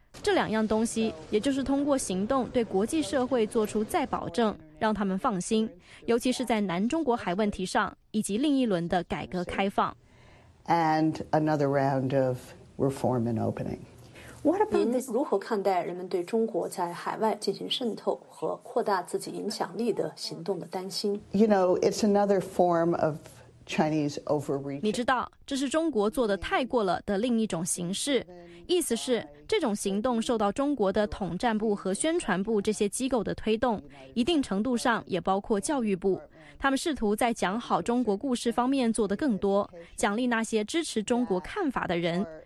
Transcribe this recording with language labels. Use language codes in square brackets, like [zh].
[zh] 这两样东西，也就是通过行动对国际社会做出再保证，让他们放心，尤其是在南中国海问题上，以及另一轮的改革开放。 [en] And another round of reform and opening. What about this? [zh] 您如何看待人们对中国在海外进行渗透和扩大自己影响力的行动的担心？ [en] You know, it's another form of Chinese overreach. [zh] 你知道，这是中国做的太过了的另一种形式。意思是，这种行动受到中国的统战部和宣传部这些机构的推动，一定程度上也包括教育部。他们试图在讲好中国故事方面做得更多，奖励那些支持中国看法的人。